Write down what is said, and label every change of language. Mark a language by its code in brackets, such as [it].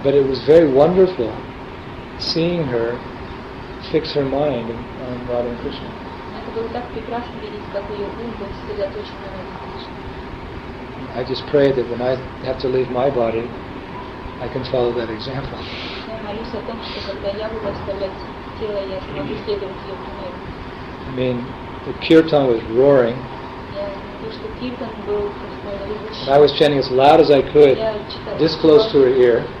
[en] But it was very wonderful seeing her fix her mind on Radha and Krishna. [ru] Это было так прекрасно видеть, как ее ум был сосредоточен на Радхе Кришне. [en] I just pray that when I have to leave my body, I can follow that example. I mean, the kirtan was roaring. And I was chanting as loud as I could, this close to her ear.